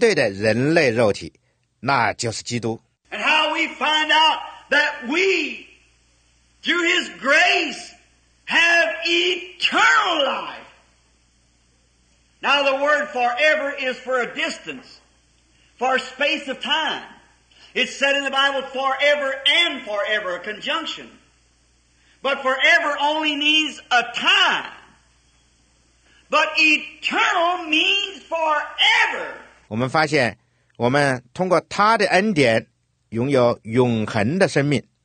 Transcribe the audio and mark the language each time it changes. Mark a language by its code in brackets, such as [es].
[zh] 然后道从神里面发出来，道成了神的显现，以一个人的形体出现。摩西从磐石的裂缝看见他经过，然后神的道的形体成了绝对的人类肉体，那就是基督。 [en] And how we find out that we through His grace, have eternal life. Now the word forever is for a distance, for a space of time. It's said in the Bible forever and forever, a conjunction. But forever only means a time. But eternal means forever. [zh] 我们发现，我们通过他的恩典，拥有永恒的生命。